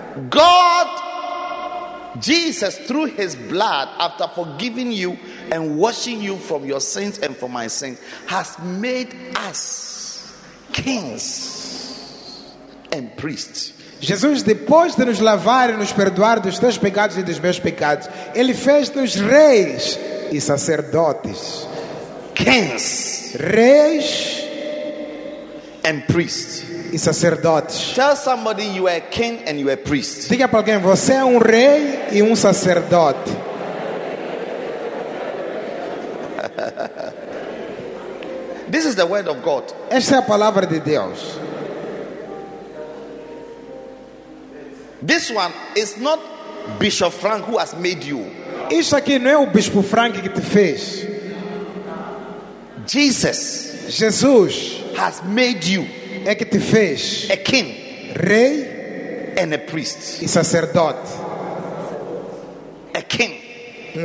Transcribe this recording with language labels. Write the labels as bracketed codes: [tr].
[en] God, Jesus, through his blood, after forgiving you and washing you from your sins and from my sins, has made us kings. And priests. [pt] Jesus, depois de nos lavar e nos perdoar dos teus pecados e dos meus pecados, Ele fez-nos reis e sacerdotes. [en] Kings. [pt] Reis. [en] And priests. [pt] E sacerdotes. [en] Tell somebody you are a king and you are a priest. [pt] Diga para alguém, você é rei e sacerdote. [en] This is the word of God. [pt] Esta é a palavra de Deus. [en] This one is not Bishop Frank who has made you. [pt] Isso aqui não é o Bispo Frank que te fez. [en] Jesus. [pt] Jesus [en] has made you. [pt] É que te fez. [en] A king. [pt] Rei. [en] And a priest. [pt] E sacerdote. [en] A king.